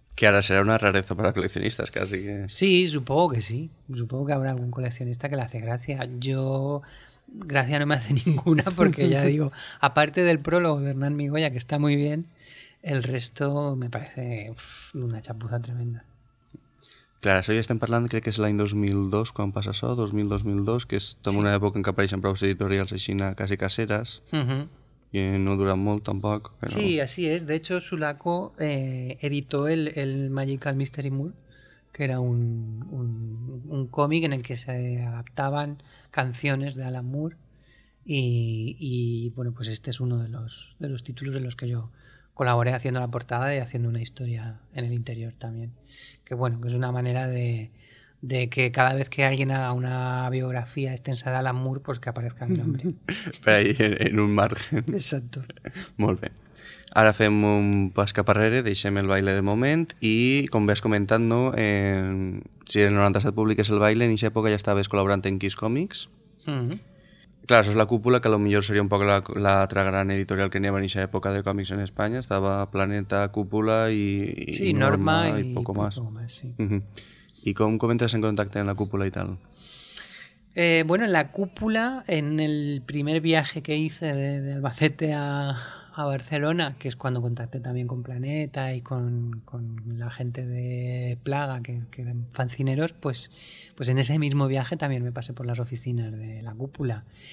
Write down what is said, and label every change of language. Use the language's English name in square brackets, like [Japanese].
[Spanish] Que ahora será una rareza para coleccionistas casi. Sí, supongo que sí. Supongo que habrá algún coleccionista que le hace gracia. Yo, gracia no me hace ninguna porque ya digo, aparte del prólogo de Hernán Migoya, que está muy bien, el resto me parece una chapuza tremenda. [Catalan] Claro, eso ya estem parlant, crec que és l'any 2002, quan passa això, 2002, que és en sí. Una època en què apareixen prou editorials així, quasi caseres, uh-huh. I no duran molt tampoc. Però... Sí, així és. [Spanish] De hecho, Sulaco editó el Magical Mystery Moon, que era un còmic en el que se adaptaven canciones de Alan Moore y bueno, pues este es uno de los títulos en los que yo colaboré haciendo la portada y haciendo una historia en el interior también. Que bueno, que es una manera de que cada vez que alguien haga una biografía extensa de Alan Moore, pues que aparezca mi nombre. Pero ahí en un margen. Exacto. Muy bien. [Catalan] Ara fem un pas cap arrere, deixem el baile de moment i, com ves comentant, no, si el 97 publiques el baile, en aquesta època ja estaves col·laborant en Kiss Comics. Mm-hmm. Clar, això és la cúpula, que potser seria un poc l'altra gran editorial que n'hi havia en aquesta època de còmics en Espanya. Estava Planeta, Cúpula [Spanish] i Norma i poco más. Poco más, sí. Uh-huh. [Catalan] I com entres en contacte amb la cúpula i tal? [Spanish] Bueno, en la cúpula, en el primer viaje que hice de Albacete a Barcelona, que es cuando contacté también con Planeta y con la gente de Plaga, que eran fancineros, pues en ese mismo viaje también me pasé por las oficinas de la cúpula.